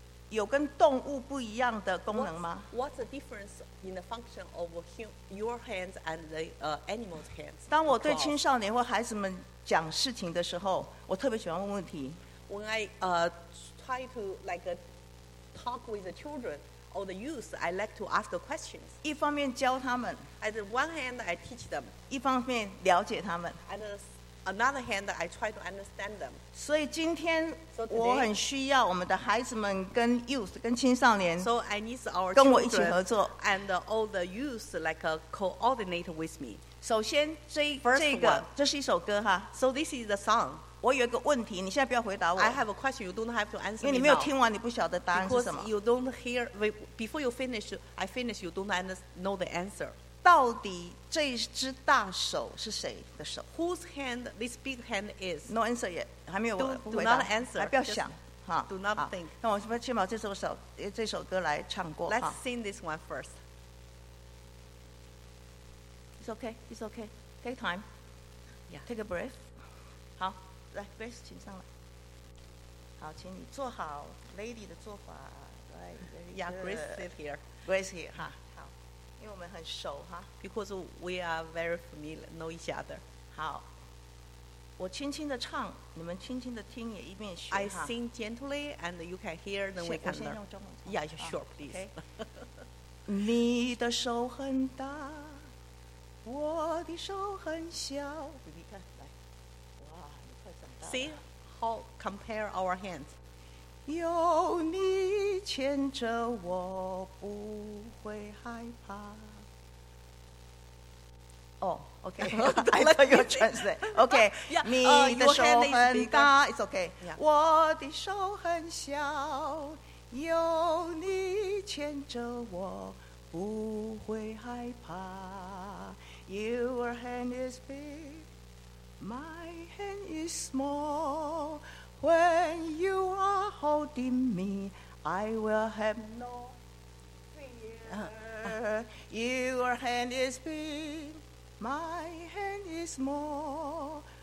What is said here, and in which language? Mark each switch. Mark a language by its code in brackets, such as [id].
[zh] 有跟动物不一样的功能吗 [en] ？What's the difference in the function of your hands and the animal's hands? [zh] 当我对青少年或孩子们讲事情的时候，我特别喜欢问问题。 [en] When I try to like talk with the children or the youth, I like to ask questions. [zh] 一方面教他们 [en] ，at one hand I teach them. [zh] 一方面了解他们 [en] ，at another hand I try to understand them. [zh] 所以今天我很需要我们的孩子们跟 youth 跟青少年跟我一起合作 [en] and all the youth like a coordinate with me. [zh] 首先这是一首歌哈 [en] So this is the song. [zh] 我有一个问题，你现在不要回答我。 [en] I have a question. You don't have to answer. [zh] 因为你没有听完，你不晓得答案是什么。 [en] You don't hear before you finish. I finish. You don't know the answer. [zh] 到底这只大手是谁的手 [en] ？Whose hand this big hand is? No answer yet， [zh] 还没有回答。 [en] Do not answer， [zh] 还不要想哈。 [en] Do not think。 [zh] 那我们先把这首歌来唱过。 [en] Let's sing this one first. It's okay. It's okay. Take time. Yeah. Take a breath. [zh] 好，来 ，Grace， 请上来。好，请你坐好 ，Lady 的做法。Right, [en] yeah, Grace sit here. Grace here. 哈。 [zh] 因为我们很熟哈 [en] ，because we are very familiar, know each other. [zh] 好，我轻轻的唱，你们轻轻的听，也一边学哈。 [en] I sing gently, and you can hear the way. [zh] 我先用中文。 [en] Yeah, sure, please. [zh] Okay. 你的手很大，我的手很小。比比看，来，哇，你快长大了。 [en] See how compare our hands. [zh] 有你牵着我，不会害怕。 [en] Oh, okay. I thought you were translating. Okay. Yeah, [zh] 你的手很大 [en] It's okay. Yeah. [zh] 我的手很小，有你牵着我，不会害怕。 [en] Your hand is big, my hand is small. When you are holding me, I will have no fear. Your hand is big. My hand is small.